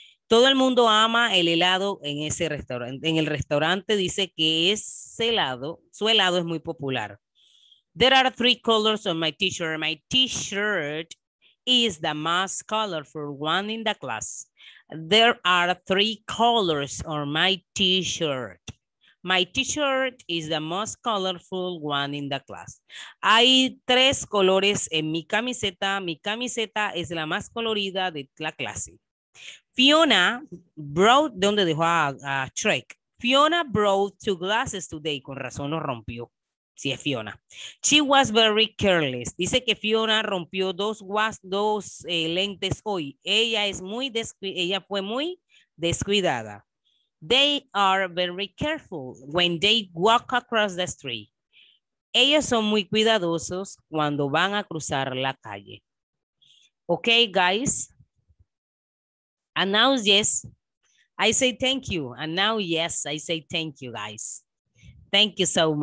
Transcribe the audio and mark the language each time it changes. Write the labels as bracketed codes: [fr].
[es] Todo el mundo ama el helado en ese restaurante. En el restaurante dice que ese helado, su helado es muy popular. [en] There are three colors on my t-shirt. My t-shirt is the most colorful one in the class. There are three colors on my t-shirt. My t-shirt is the most colorful one in the class. [es] Hay tres colores en mi camiseta. Mi camiseta es la más colorida de la clase. [en] Fiona brought, [es] ¿de dónde dejó a Shrek? [en] Fiona brought two glasses today. [es] Con razón lo rompió. Sí, es Fiona. [en] She was very careless. [es] Dice que Fiona rompió dos lentes hoy. Ella fue muy descuidada. [en] They are very careful when they walk across the street. [es] Ellos son muy cuidadosos cuando van a cruzar la calle. [en] Okay, guys. And now, yes, I say thank you. And now, yes, I say thank you, guys. Thank you so much.